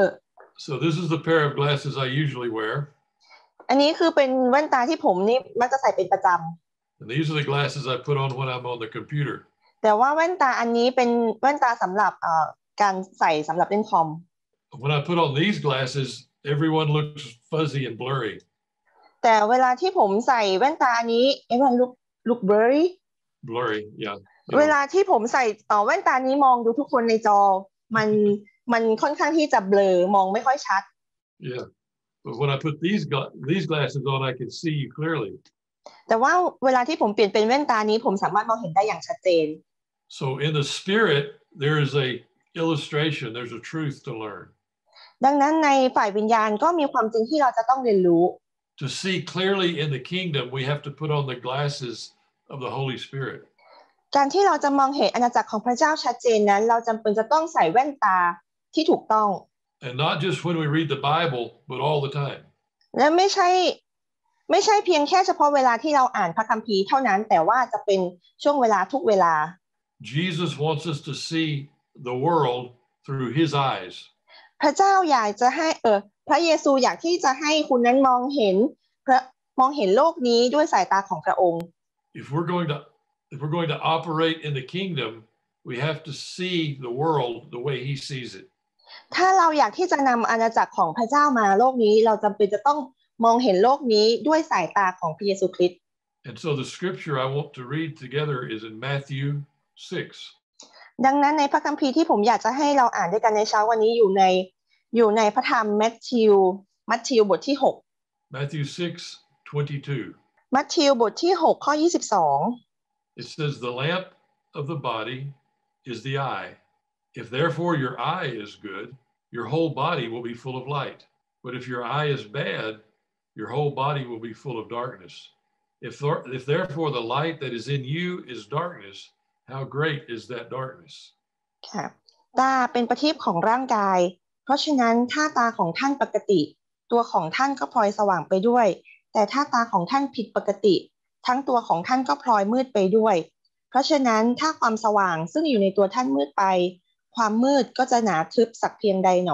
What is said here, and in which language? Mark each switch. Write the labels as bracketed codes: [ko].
[en] So this is the pair of glasses I usually wear [th] อันนี้คือเป็นแว่นตาที่ผมนี่มักจะใส่เป็นประจำ [en] And these are the glasses I put on when I'm on the computer [th] แต่ว่าแว่นตาอันนี้เป็นแว่นตาสำหรับการใส่สำหรับเล่นคอม [en] When I put on these glasses everyone looks fuzzy and blurry [th] แต่เวลาที่ผมใส่แว่นตาอันนี้ [en] everyone look blurry yeah [th] เวลาที่ผมใส่แว่นตานี้มองดูทุกคนในจอมันค่อนข้างที่จะเบลอมองไม่ค่อยชัด [en] Yeah but when I put these glasses on I can see you clearly [th] แต่ว่าเวลาที่ผมเปลี่ยนเป็นแว่นตานี้ผมสามารถมองเห็นได้อย่างชัดเจน [en] So in the spirit there is a illustration there's a truth to learn [th] ดังนั้นในฝ่ายวิญญาณก็มีความจริงที่เราจะต้องเรียนรู้ [en] To see clearly in the kingdom we have to put on the glasses of the Holy Spirit [th] การที่เราจะมองเห็นอาณาจักรของพระเจ้าชัดเจนนั้นเราจําเป็นจะต้องใส่แว่นตาที่ถูกต้อง [en] And not just when we read the Bible but all the time [th] และไม่ใช่เพียงแค่เฉพาะเวลาที่เราอ่านพระคัมภีร์เท่านั้นแต่ว่าจะเป็นช่วงเวลาทุกเวลา [en] Jesus wants us to see the world through his eyes [th] พระเจ้าอยากจะให้พระเยซูอยากที่จะให้คุณนั้นมองเห็นโลกนี้ด้วยสายตาของพระองค์ [en] If we're going to operate in the kingdom, we have to see the world the way He sees it. [th] ถ้าเราอยากที่จะนำอาณาจักรของพระเจ้ามาโลกนี้เราจำเป็นจะต้องมองเห็นโลกนี้ด้วยสายตาของพระเยซูคริสต์ [en] And so the scripture I want to read together is in Matthew 6. [th] ดังนั้นในพระคัมภีร์ที่ผมอยากจะให้เราอ่านด้วยกันในเช้าวันนี้อยู่ในพระธรรมมัทธิวบทที่6 [en] Matthew 6:22. [th] มัทธิวบทที่6ข้อ22 [en] It says, the lamp of the body is the eye. If therefore your eye is good, your whole body will be full of light. But if your eye is bad, your whole body will be full of darkness. If therefore the light that is in you is darkness, how great is that darkness? [th] ค่ะตาเป็นประทีปของร่างกายเพราะฉะนั้นถ้าตาของท่านปกติตัวของท่านก็พลอยสว่างไปด้วยแต่ถ้าตาของท่านผิดปกติทั้งตัวของท่านก็พลอยมืดไปด้วยเพราะฉะนั้นถ้าความสว่างซึ่งอยู่ในตัวท่านมืดไปความมืดก็จะหนาทึบสักเพียงใดหน